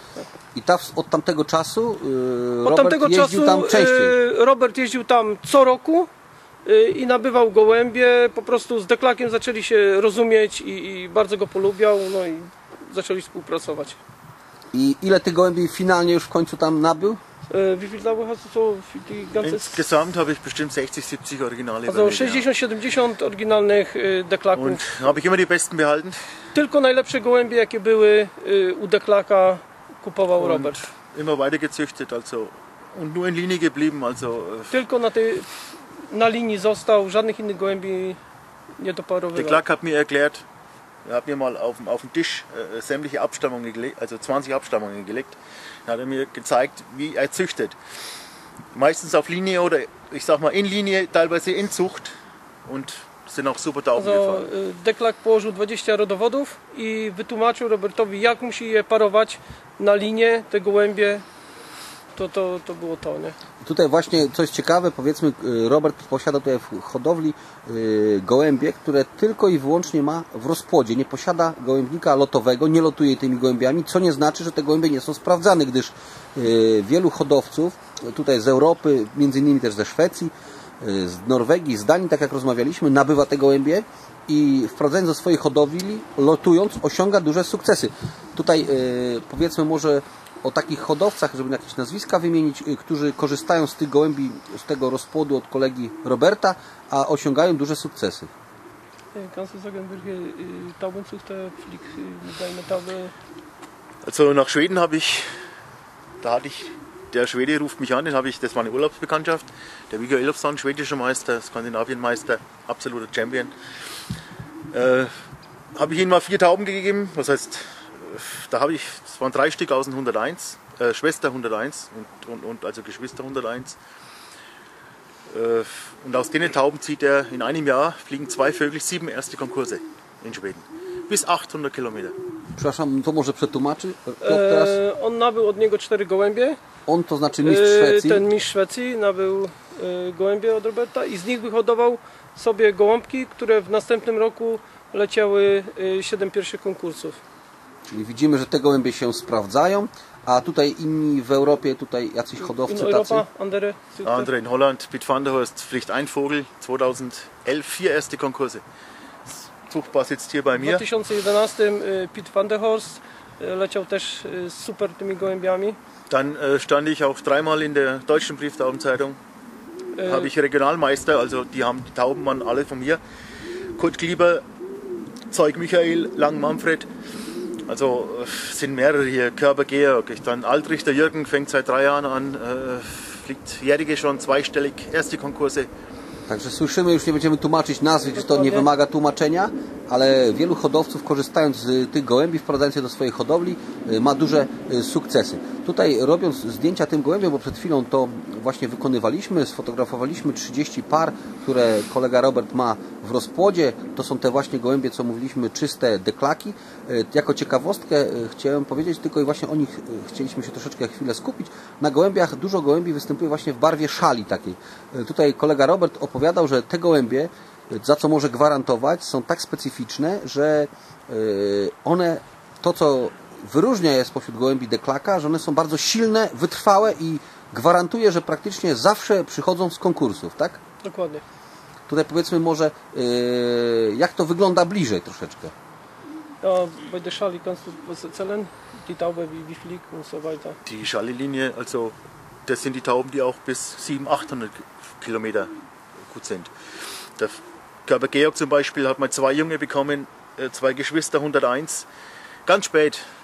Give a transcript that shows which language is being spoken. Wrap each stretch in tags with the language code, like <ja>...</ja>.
<pl>Tak. I od tamtego czasu Robert jeździł tam częściej? Robert jeździł tam co roku i nabywał gołębie. Po prostu z deklakiem zaczęli się rozumieć i bardzo go polubiał. No i zaczęli współpracować. I ile tych gołębi finalnie już w końcu tam nabył?</pl> <de>Wie viele Laube hast du so für die ganze Insgesamt habe ich bestimmt 60-70 Originale. Also</de> <pl>60-70 oryginalnych deklaków.</pl> <de>Und habe ich immer die besten behalten?</de> <pl>Tylko najlepsze gołębie, jakie były u deklaka, kupował Robert.</pl> <de>Immer weiter gezüchtet, also und nur in Linie geblieben, also</de> <pl>tylko na linii został, żadnych innych gołębi nie doparowywał.</pl> <de>Deklak hat mir erklärt, Er hat mir mal auf den Tisch sämtliche Abstammungen gelegt, also 20 Abstammungen gelegt. Dann hat er mir gezeigt, wie er züchtet. Meistens auf Linie oder ich sag mal in Linie, teilweise in Zucht. Und sind auch super taufen gefahren.</de> <pl>Deklak położył 20 rodowodów i wytłumaczył Robertowi, jak musi je parować na linie, te gołębie. To było to, nie? Tutaj właśnie coś ciekawe, powiedzmy, Robert posiada tutaj w hodowli gołębie, które tylko i wyłącznie ma w rozpłodzie. Nie posiada gołębnika lotowego, nie lotuje tymi gołębiami, co nie znaczy, że te gołębie nie są sprawdzane, gdyż wielu hodowców tutaj z Europy, między innymi też ze Szwecji, z Norwegii, z Danii, tak jak rozmawialiśmy, nabywa te gołębie i wprowadzając do swojej hodowli, lotując, osiąga duże sukcesy. Tutaj powiedzmy może o takich hodowcach, żeby jakieś nazwiska wymienić, którzy korzystają z tych gołębi, z tego rozpłodu od kolegi Roberta, a osiągają duże sukcesy.</pl> <de>Kannst du sagen, welche Taubenzüchter fliegt deine Taube? Also nach Schweden habe ich, da hatte ich, der Schwede ruft mich an, den habe ich, das war eine Urlaubsbekanntschaft, der Viggo Elofsson, schwedischer Meister, Skandinavienmeister, absoluter Champion. Habe ich ihm mal 4 Tauben gegeben, was heißt, da habe ich, es waren 3 Stück aus dem 101, Schwester 101 und also Geschwister 101. Und aus den Tauben zieht er in einem Jahr, fliegen 2 Vögel, 7 erste Konkurse in Schweden. Bis 800 Kilometer.</de> <pl>Przepraszam, to może przetłumaczy? On nabył od niego 4 gołębie. On to znaczy mistrz Szwecji. Ten mistrz Szwecji nabył gołębie od Roberta i z nich wyhodował sobie gołąbki, które w następnym roku leciały 7 pierwszych konkursów. Czyli widzimy, że te gołębie się sprawdzają, a tutaj inni w Europie, tutaj jacyś hodowcy Europa, tacy.</pl> <de>Andere, Andre in Holland, Piet van der Horst, fliegt ein Vogel, 2011, 4 erste Konkurse. Zuchtbar sitzt hier bei mir.</de> <pl>W 2011 Piet van der Horst leciał też super tymi gołębiami.</pl> <de>Dann stand ich auch 3-mal in der deutschen Brieftaubenzeitung. Habe ich Regionalmeister, also die haben die Tauben waren alle von mir. Kurt Glieber, Zeug Michael, Lang Manfred. Also sind mehrere hier, Körbergeher, okay. Dann Altrichter Jürgen fängt seit 3 Jahren an, fliegt jährige schon 2-stellig, erste Konkurse.</de> <pl>Także słyszymy, już nie będziemy tłumaczyć nazwy, gdyż to nie wymaga tłumaczenia, ale wielu hodowców, korzystając z tych gołębi, wprowadzając je do swojej hodowli, ma duże sukcesy. Tutaj robiąc zdjęcia tym gołębiom, bo przed chwilą to właśnie wykonywaliśmy, sfotografowaliśmy 30 par, które kolega Robert ma w rozpłodzie. To są te właśnie gołębie, co mówiliśmy, czyste deklaki. Jako ciekawostkę chciałem powiedzieć, tylko i właśnie o nich chcieliśmy się troszeczkę chwilę skupić. Na gołębiach dużo gołębi występuje właśnie w barwie szali takiej. Tutaj kolega Robert opowiadał, że te gołębie, za co może gwarantować, są tak specyficzne, że one, to co wyróżnia je spośród gołębi deklaka, że one są bardzo silne, wytrwałe i gwarantuje, że praktycznie zawsze przychodzą z konkursów, tak? Dokładnie. Tutaj powiedzmy może, jak to wygląda bliżej troszeczkę?</pl> <de>Ja, bei der Schale kannst du was erzählen? Die Taube, wie fliegt und so weiter? Die Schalllinie, also das sind die Tauben, die auch bis 700-800 Kilometer gut sind. Der Körper Georg zum Beispiel hat mal 2 Junge bekommen, 2 Geschwister 101, ganz spät.</de>